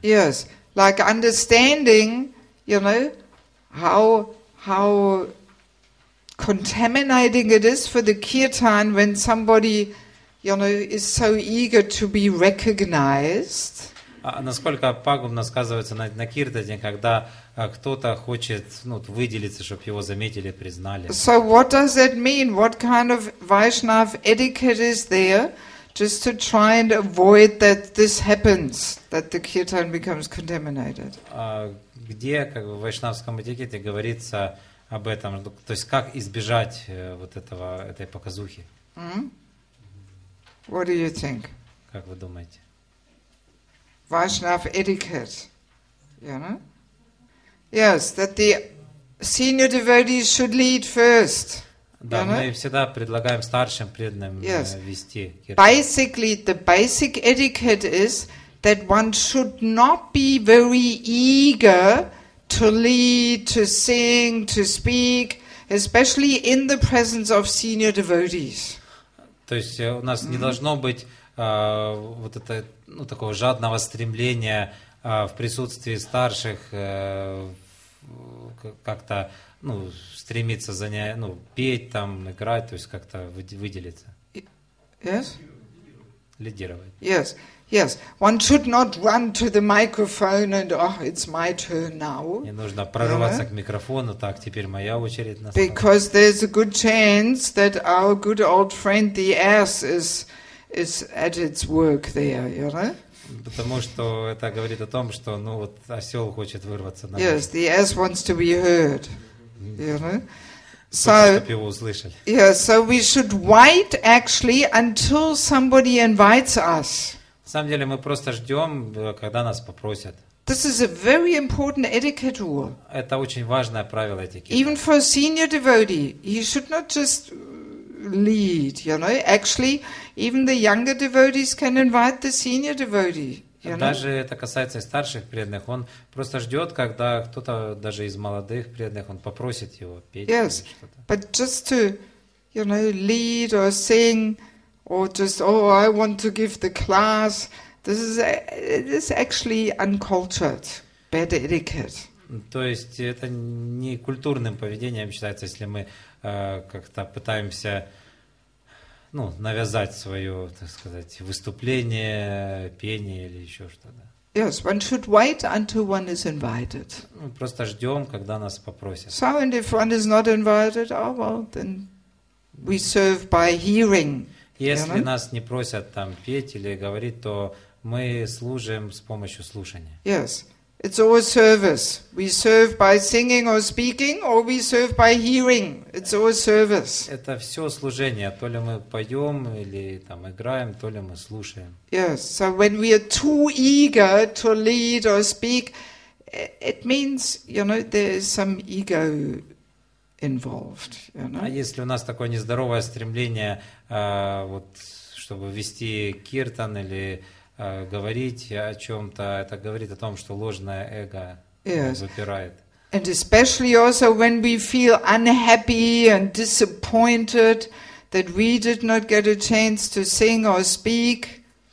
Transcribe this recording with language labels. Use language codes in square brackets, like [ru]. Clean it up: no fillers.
[en] Yes, like understanding, you know, how contaminating it is for the kirtan when somebody, you know, is so eager to be recognized. [ru] Насколько пагубно сказывается на киртане, когда кто-то хочет, ну, выделиться, чтобы его заметили, признали. [en] So what does that mean? What kind of Vaishnav etiquette is there just to try and avoid that this happens, that the kirtan becomes contaminated? [ru] Где, как бы, в вайшнавском этикете говорится об этом? То есть как избежать вот этой показухи? [en] Mm-hmm. What do you think? [ru] Как вы думаете? [en] Vaishnav etiquette, you know? Yes, that the senior devotees should lead first. [ru] Да, [en] you know? [ru] Мы всегда предлагаем старшим преданным вести. [en] Basically, the basic etiquette is that one should not be very eager to lead, to sing, to speak, especially in the presence of senior devotees. [ru] То есть у нас не должно быть вот это, ну, такого жадного стремления в присутствии старших как-то, ну, стремиться занять, ну, петь там, играть, то есть как-то выделиться. [en] Yes? [ru] Лидировать. [en] Yes, yes. One should not run to the microphone and, oh, it's my turn now. [ru] Не нужно прорываться к микрофону, так, теперь моя очередь настала. [en] Because there's a good chance that our good old friend the ass is at its work there, you know? [ru] Потому что это говорит о том, что, ну, вот осел хочет вырваться. Наверное. [en] Yes, the ass wants to be heard, you know? [ru] So, чтобы его услышали. [en] Yeah, so we should wait actually until somebody invites us. [ru] На самом деле мы просто ждем, когда нас попросят. [en] This is a very important etiquette rule. [ru] Это очень важное правило этикета. [en] Even for a senior devotee, he should not just lead, you know. Actually, even the younger devotees can invite the senior devotee. [ru] Даже это касается и старших преданных. Он просто ждет, когда кто-то даже из молодых преданных, он попросит его петь. [en] Yes, but just to, you know, lead or sing, or just, oh, I want to give the class. This is actually uncultured, bad etiquette. [ru] То есть это не культурным поведением считается, если мы как-то пытаемся, ну, навязать свое, так сказать, выступление, пение или еще что-то. [en] Yes, one should wait until one is invited. [ru] Мы просто ждем, когда нас попросят. [en] So, and if one is not invited, oh well, then we serve by hearing. [ru] Если нас не просят там петь или говорить, то мы служим с помощью слушания. [en] Yes. It's all service. We serve by singing or speaking, or we serve by hearing. It's all service. [ru] Это все служение. То ли мы поем или там играем, то ли мы слушаем. [en] Yes. So when we are too eager to lead or speak, it means, you know, there is some ego involved, you know? [ru] А если у нас такое нездоровое стремление, вот, чтобы вести киртан или говорить о чем-то, это говорит о том, что ложное эго выпирает. [en] And especially also when we feel unhappy and disappointed that we did not get a chance to sing or speak.